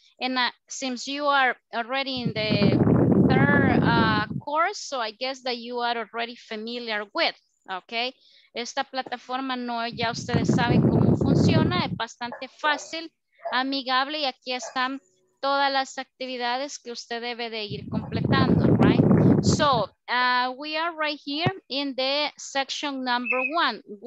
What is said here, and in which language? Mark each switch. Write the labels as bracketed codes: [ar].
[en] And since you are already in the third course, so I guess that you are already familiar with, okay? [es] Esta plataforma no, ya ustedes saben cómo funciona, es bastante fácil, amigable, y aquí están todas las actividades que usted debe de ir completando, right? [en] So, we are right here in the section number one.